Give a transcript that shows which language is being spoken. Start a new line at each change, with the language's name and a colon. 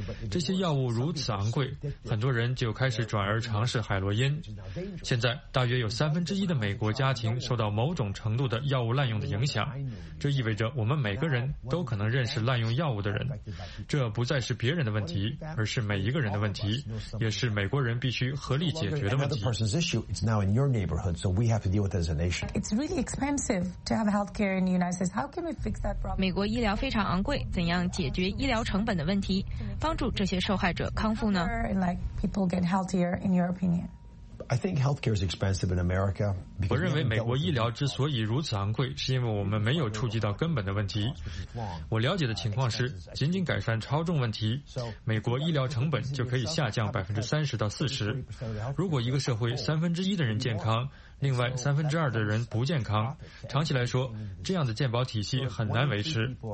Chinese: 这些药物如此昂贵，很多人就开始转而尝试海洛因。现在大约有1/3的美国家庭受到某种程度的药物滥用的影响，这意味着我们每个人都可能认识滥用药物的人。这不再是别人的问题，而是每一个人的问题，也是美国人必须合力解决的问题。
English: It's now in your neighborhood, so we have to deal with it as a nation. It's really expensive to have healthcare in the United States. How can we fix that problem?
Chinese: 美国医疗非常昂贵，怎样解决医疗成本的问题？帮助这些受害者康复呢？
English: Like people get healthier, in your opinion? I think healthcare is expensive in America.
Chinese: 我认为美国医疗之所以如此昂贵，是因为我们没有触及到根本的问题。我了解的情况是，仅仅改善超重问题，美国医疗成本就可以下降30%-40%。如果一个社会1/3的人健康，另外三分之二的人不健康，长期来说这样的健保体系很难维持。